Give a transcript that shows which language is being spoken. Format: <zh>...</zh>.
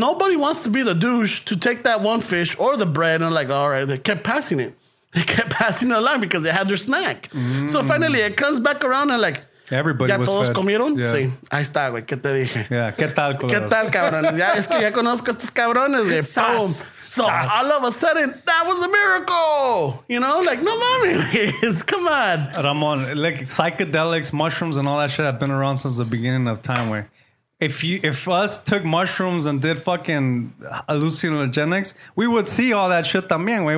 <en>Nobody wants to be the douche to take that one fish or the bread. And like, all right. They kept passing it along because they had their snack. So, finally, it comes back around and like, everybody was fed.</en> <es>¿Ya todos comieron? Yeah. Sí. Ahí está, güey. ¿Qué te dije? Yeah. ¿Qué tal, cabrones? ¿Qué tal, cabrones? Ya, es que ya conozco a estos cabrones, güey. ¡Pum!</es> <en>So all of a sudden, that was a miracle. You know, like,</en> <es>no mames.</es> <en>Come on. Ramon, like, psychedelics, mushrooms, and all that shit have been around since the beginning of time, where if us took mushrooms and did fucking hallucinogenics, we would see all that shit</en> <es>también, güey.</es>